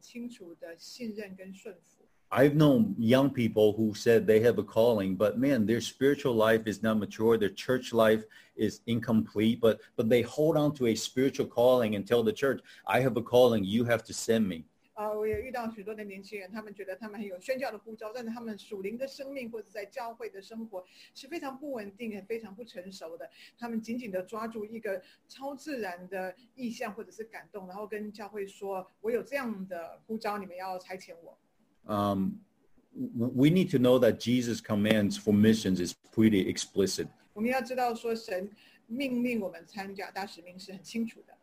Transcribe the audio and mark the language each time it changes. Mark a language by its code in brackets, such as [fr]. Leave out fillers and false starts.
[zh] 我想在宣教之前是一个对神的话一个很清楚的信任跟顺服。 [en] I've known young people who said they have a calling, but man, their spiritual life is not mature, their church life is incomplete, but they hold on to a spiritual calling and tell the church, I have a calling, you have to send me. [zh] 我也遇到许多的年轻人，他们觉得他们很有宣教的呼召，但是他们属灵的生命或者在教会的生活是非常不稳定、非常不成熟的。他们紧紧的抓住一个超自然的意向或者是感动，然后跟教会说：“我有这样的呼召，你们要差遣我。” [en] We need to know that Jesus' commands for missions is pretty explicit. [zh] 我们要知道说神命令我们参加大使命是很清楚的。